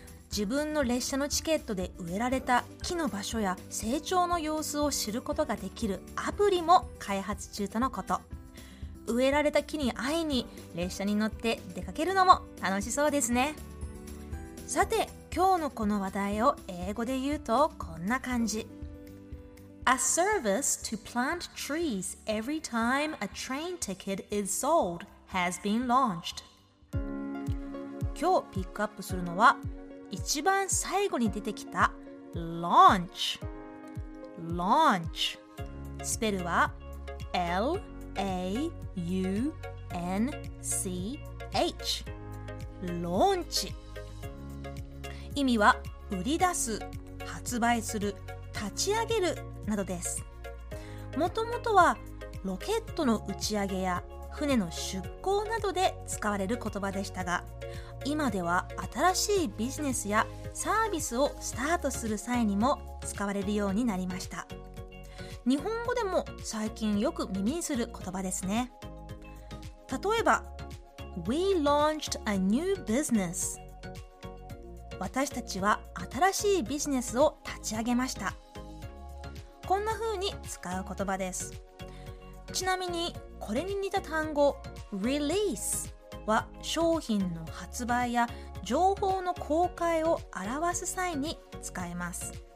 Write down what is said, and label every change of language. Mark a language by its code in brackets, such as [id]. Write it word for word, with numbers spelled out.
[ja] 自分の列車のチケットで植えられた木の場所や成長の様子を知ることができるアプリも開発中とのこと。植えられた木に会いに列車に乗って出かけるのも楽しそうですね。さて今日のこの話題を英語で言うとこんな感じ。 [en] A service to plant trees every time a train ticket is sold has been launched。 [ja] 今日ピックアップするのは一番最後に出てきた launch。 launch スペルは エル エー ユー エヌ シー エイチ ローンチ。意味は売り出す、発売する、立ち上げるなどです。もともとはロケットの打ち上げや船の出港などで使われる言葉でしたが、今では新しいビジネスやサービスをスタートする際にも使われるようになりました。日本語でも最近よく耳にする言葉ですね。 [en] 例えば We launched a new business。 [ja] 私たちは新しいビジネスを立ち上げました。こんな風に使う言葉です。ちなみにこれに似た単語 Release は商品の発売や情報の公開を表す際に使えます。